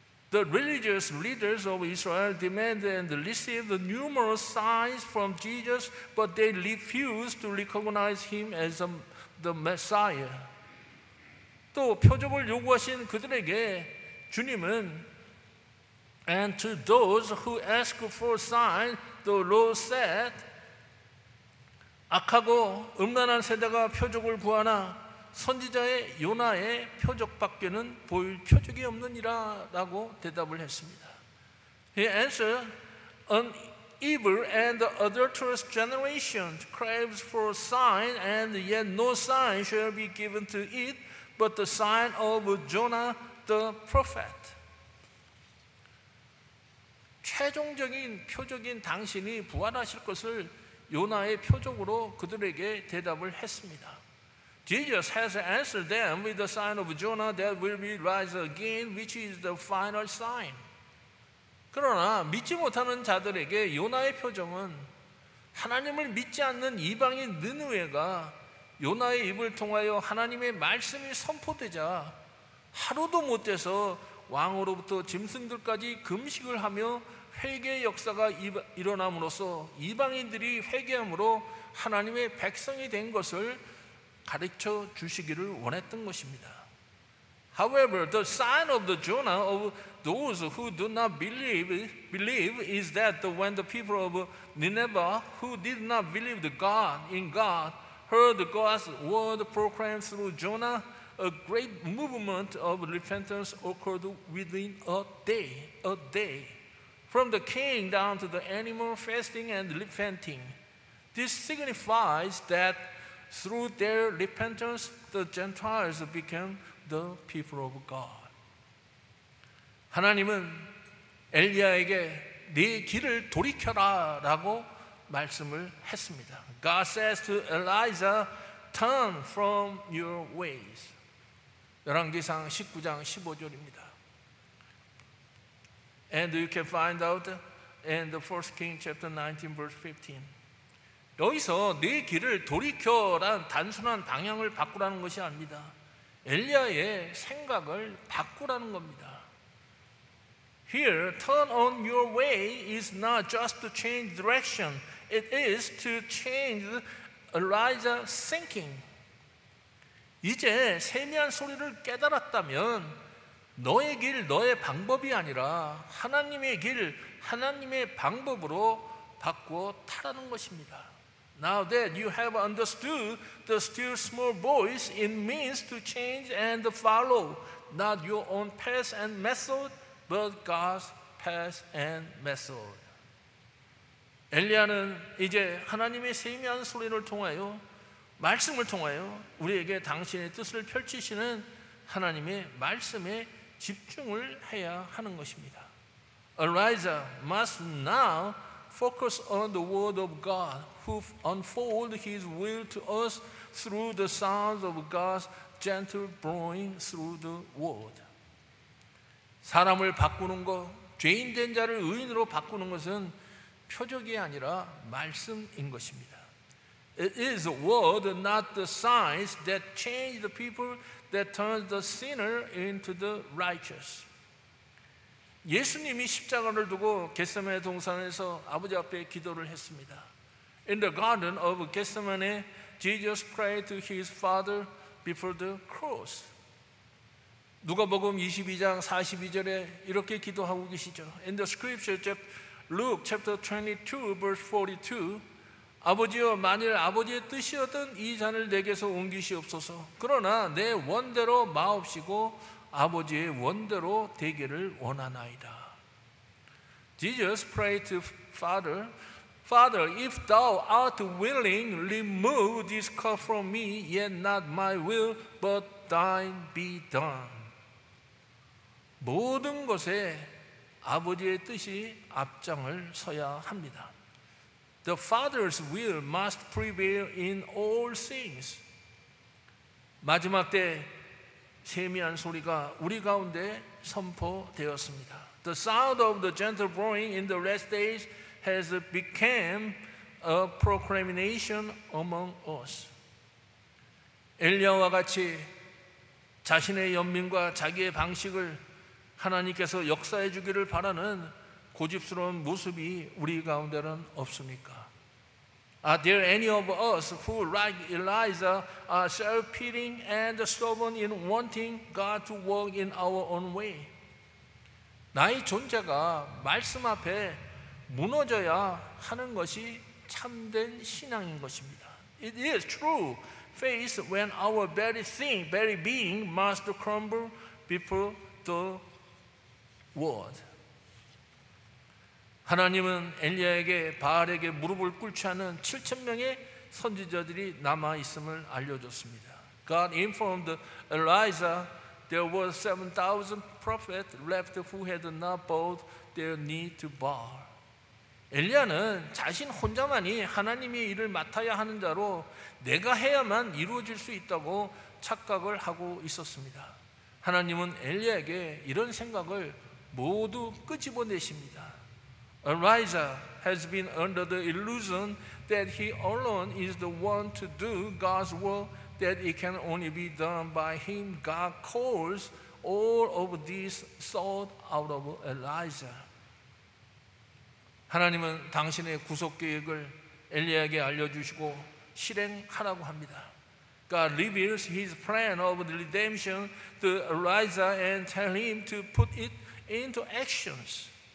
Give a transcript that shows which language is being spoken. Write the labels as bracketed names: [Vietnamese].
[English] The religious leaders of Israel demanded and received numerous signs from Jesus, but they refused to recognize him as the Messiah. [Korean] 또 표적을 요구하신 그들에게 주님은 [English] And to those who ask for signs, the Lord said, [Korean] 악하고 음란한 세대가 표적을 구하나 선지자의 요나의 표적밖에는 보일 표적이 없느니라 라고 대답을 했습니다. [English] He answered, An evil and adulterous generation craves for a sign, and yet no sign shall be given to it but the sign of Jonah the prophet. [Korean] 최종적인 표적인 당신이 부활하실 것을 요나의 표적으로 그들에게 대답을 했습니다. [English] Jesus has answered them with the sign of Jonah that will be rise again, which is the final sign. [Korean] 그러나 믿지 못하는 자들에게 요나의 표적은 하나님을 믿지 않는 이방인 느느웨가 요나의 입을 통하여 하나님의 말씀이 선포되자 하루도 못해서 왕으로부터 짐승들까지 금식을 하며 회개의 역사가 일어남으로써 이방인들이 회개함으로 하나님의 백성이 된 것을 가르쳐 주시기를 원했던 것입니다. [English] However, the sign of the Jonah of those who do not believe is that when the people of Nineveh who did not believe in God heard God's word proclaimed through Jonah, a great movement of repentance occurred within a day. From the king down to the animal fasting and repenting. This signifies that through their repentance, the Gentiles became the people of God. [Korean] 하나님은 엘리야에게 네 길을 돌이켜라 라고 말씀을 했습니다. [English] God says to Elijah, turn from your ways. [Korean] 열왕기상 19장 15절입니다. [English] And you can find out in the first king chapter 19 verse 15. [Korean] 여기서 네 길을 돌이켜란 단순한 방향을 바꾸라는 것이 아닙니다. 엘리야의 생각을 바꾸라는 겁니다. [English] Here, turn on your way is not just to change direction. It is to change Elijah's thinking. [Korean] 이제 세미한 소리를 깨달았다면 너의 길, 너의 방법이 아니라 하나님의 길, 하나님의 방법으로 바꾸어 타라는 것입니다. [English] Now that you have understood the still small voice, it means to change and follow not your own path and method, but God's path and method. [Korean] 엘리야는 이제 하나님의 세미한 소리를 통하여, 말씀을 통하여 우리에게 당신의 뜻을 펼치시는 하나님의 말씀에 집중을 해야 하는 것입니다. [English] Elijah must now focus on the word of God who unfold his will to us through the sounds of God's gentle blowing through the word. [Korean] 사람을 바꾸는 것, 죄인된 자를 의인으로 바꾸는 것은 표적이 아니라 말씀인 것입니다. [English] It is the word, not the signs, that change the people, that turns the sinner into the righteous. [Korean] 예수님이 십자가를 두고 겟세마네 동산에서 아버지 앞에 기도를 했습니다. [English] In the garden of Gethsemane, Jesus prayed to his father before the cross. [Korean] 누가복음 22장 42절에 이렇게 기도하고 계시죠. [English] In the scripture, Luke chapter 22, verse 42, [Korean] 아버지여, 만일 아버지의 뜻이었던 이 잔을 내게서 옮기시옵소서. 그러나 내 원대로 마옵시고 아버지의 원대로 되기를 원하나이다. [English] Jesus prayed to Father, Father, if thou art willing, remove this cup from me, yet not my will, but thine be done. [Korean] 모든 것에 아버지의 뜻이 앞장을 서야 합니다. [English] The Father's will must prevail in all things. [Korean] 마지막 때 세미한 소리가 우리 가운데 선포되었습니다. [English] The sound of the gentle blowing in the last days has become a proclamation among us. [Korean] 엘리야와 같이 자신의 연민과 자기의 방식을 하나님께서 역사해 주기를 바라는 고집스러운 모습이 우리 가운데는 없습니까? [English] Are there any of us who, like Elijah, are self-pitying and stubborn in wanting God to walk in our own way? [Korean] 나의 존재가 말씀 앞에 무너져야 하는 것이 참된 신앙인 것입니다. [English] It is true faith when our very thing, very being must crumble before the word. [Korean] 하나님은 엘리야에게 바알에게 무릎을 꿇지 않은 7,000명의 선지자들이 남아 있음을 알려줬습니다. [English] God informed Elijah there were 7,000 prophets left who had not bowed their knee to Baal. [Korean] 엘리야는 자신 혼자만이 하나님의 일을 맡아야 하는 자로 내가 해야만 이루어질 수 있다고 착각을 하고 있었습니다. 하나님은 엘리야에게 이런 생각을 모두 끄집어내십니다. [English] Elijah has been under the illusion that he alone is the one to do God's will, that it can only be done by him. God calls all of this thought out of Elijah. [Korean] 하나님은 당신의 구속계획을 엘리야에게 알려주시고 실행하라고 합니다. [English] God reveals his plan of redemption to Elijah and tells him to put it into actions.